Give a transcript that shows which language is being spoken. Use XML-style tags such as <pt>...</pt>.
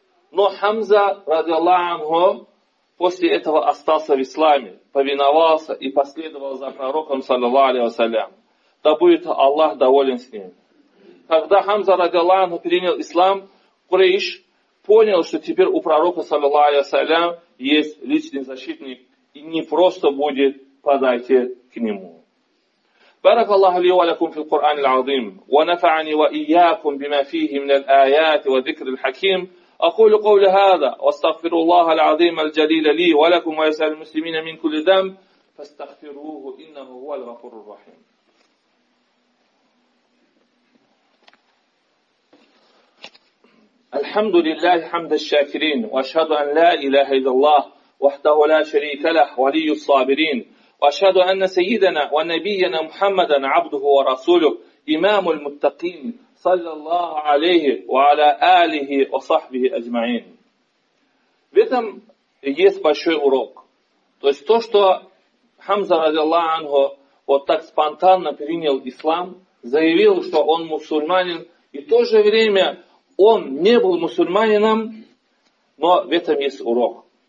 <ru>Но Хамза, радиаллаху анху, после этого остался в исламе, повиновался и последовал за пророком, саллаллаху алейхи ва саллям. Да будет Аллах доволен с ним. Когда Хамза, радиаллаху анху, принял ислам, Курейш понял, что теперь у пророка, саллаллаху алейхи ва саллям, есть личный защитник и не просто будет подойти к нему.</ru> <ar>بارك الله لي ولكم في القرآن العظيم ونفعني وإياكم بما فيه من الآيات وذكر الحكيم أقول قول هذا واستغفر الله العظيم الجليل لي ولكم ويسأل المسلمين من كل ذنب فاستغفروه إنه هو الغفور الرحيم. الحمد لله حمد الشاكرين وأشهد أن لا إله إلا الله وحده لا شريك له ولي الصابرين وأشهد أن سيدنا ونبينا محمدا عبده ورسوله إمام المتقين صلى الله عليه وعلى آله وصحبه أجمعين.</ar> <ru>В этом есть большой урок. То есть то, что Хамза, радиаллаху анху, вот так спонтанно принял ислам, заявил, что он мусульманин, и в то же время он не был мусульманином, но в этом есть урок.</ru>